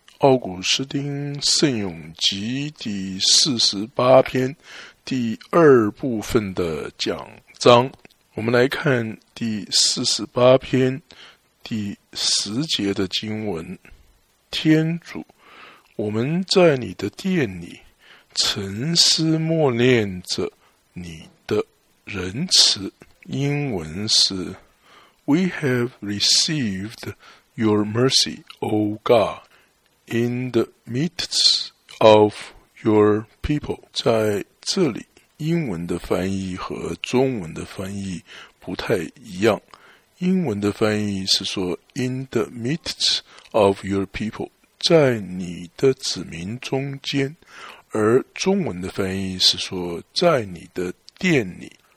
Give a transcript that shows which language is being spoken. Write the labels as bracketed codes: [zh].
[zh] 奥古斯丁聖咏集第48篇第二部分的讲章，我们来看第48篇第10节的经文。天主，我们在你的殿里沉思默念着你的仁慈。英文是 [en] We have received your mercy, O God, in the midst of your people. [zh] 在这里英文的翻译和中文的翻译不太一样。英文的翻译是说 [en] in the midst of your people, [zh] 在你的子民中间，而中文的翻译是说在你的殿里。